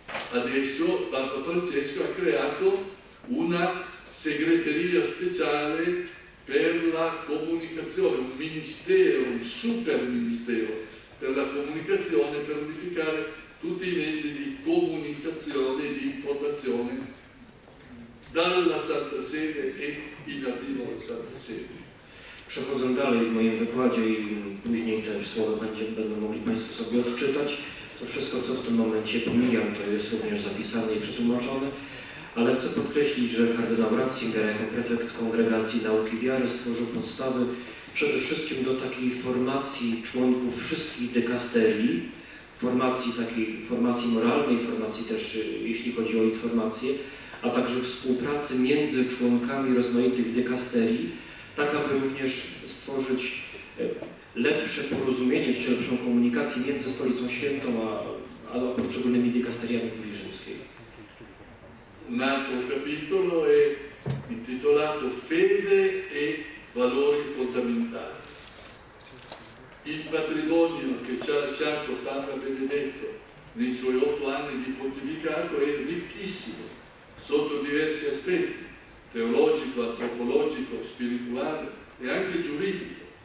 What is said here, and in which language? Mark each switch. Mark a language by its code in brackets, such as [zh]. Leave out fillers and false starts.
[it] adesso Papa Francesco ha creato una segreteria speciale per la comunicazione, un ministero, un super ministero per la comunicazione, per unificare tutti i mezzi di comunicazione e di informazione dalla Santa Sede e in arrivo alla Santa Sede. [pl] Przechodzę dalej w moim wykładzie i później te słowa będą mogli Państwo sobie odczytać. To wszystko, co w tym momencie pomijam, to jest również zapisane i przetłumaczone. Ale chcę podkreślić, że kardynał Ratzinger jako prefekt Kongregacji Nauki Wiary stworzył podstawy przede wszystkim do takiej formacji członków wszystkich dekasterii, formacji takiej, formacji moralnej, formacji też jeśli chodzi o informacje, a także współpracy między członkami rozmaitych dekasterii, tak aby również stworzyć lepsze porozumienie, czy lepszą komunikację między Stolicą Świętą a poszczególnymi dekasteriami Kurii Rzymskiej. [it] Un altro capitolo è intitolato Fede e valori fondamentali. Il patrimonio che ci ha lasciato Papa Benedetto nei suoi 8 anni di pontificato è ricchissimo sotto diversi aspetti, teologico, antropologico, spirituale e anche giuridico.